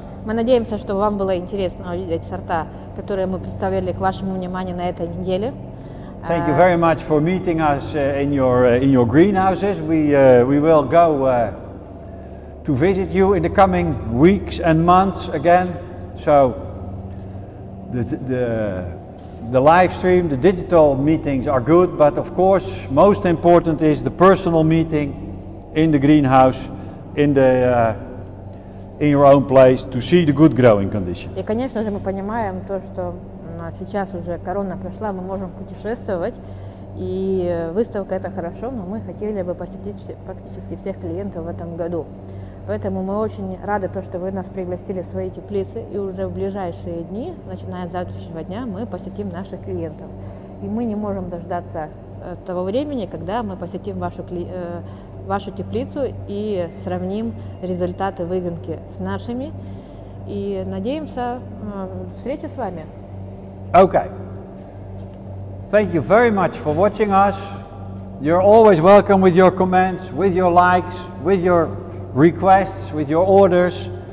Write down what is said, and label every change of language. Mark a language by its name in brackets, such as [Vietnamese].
[Russian] Мы надеемся, что вам было интересно увидеть сорта, которые мы представили к вашему вниманию на этой неделе. [English] Thank you very much for meeting us in your greenhouses. We will go to visit you in the coming weeks and months again. So the live stream, the digital meetings are good, but of course, most important is the personal meeting in the greenhouse, in the in your own place to see the good growing condition. [Russian] И, конечно же, мы понимаем то, что сейчас уже корона прошла, мы можем путешествовать, и выставка это хорошо, но мы хотели бы посетить практически всех клиентов в этом году. Поэтому мы очень рады, то, что вы нас пригласили в свои теплицы. И уже в ближайшие дни, начиная с завтрашнего дня, мы посетим наших клиентов. И мы не можем дождаться того времени, когда мы посетим вашу теплицу и сравним результаты выгонки с нашими. И надеемся встречи с вами. [English] Okay. Thank you very much for watching us. You're always welcome with your comments, with your likes, with your requests, with your orders.